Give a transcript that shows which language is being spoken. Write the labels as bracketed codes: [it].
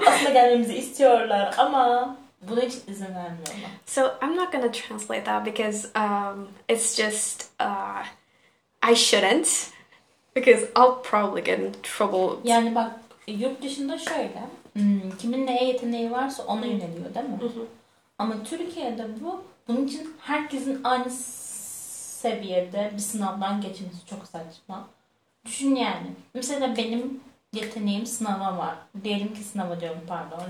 [tr] Aslında gelmemizi istiyorlar ama buna hiç izin vermiyorlar. [en] So I'm not gonna translate that because it's just I shouldn't because I'll probably get in trouble. [tr] Yani bak, yurt dışında şöyle, kimin neye yeteneği varsa ona yöneliyor, değil mi? Mm-hmm. Ama Türkiye'de bu, bunun için herkesin aynı seviyede bir sınavdan geçmesi çok saçma. Düşün yani. Mesela benim yeteneğim sınava var. Diyelim ki sınava diyorum, pardon.